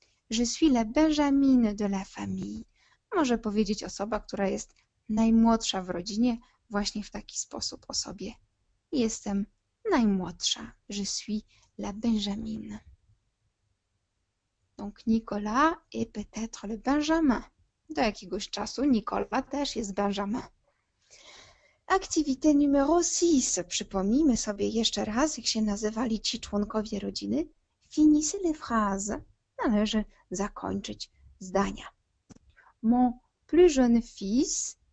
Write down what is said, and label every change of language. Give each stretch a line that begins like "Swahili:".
French: Je suis la Benjamine de la famille.
Polish: Może powiedzieć osoba, która jest najmłodsza w rodzinie, właśnie w taki sposób o sobie. Jestem najmłodsza.
French: Je suis la Benjamine. Donc Nicolas est peut-être le Benjamin.
Polish: Do jakiegoś czasu Nicolas też jest Benjamin.
French: Activité numéro 6.
Polish: Przypomnijmy sobie jeszcze raz, jak się nazywali ci członkowie rodziny.
French: Finissez les phrases.
Polish: Należy zakończyć zdania.
French: Mon plus jeune fils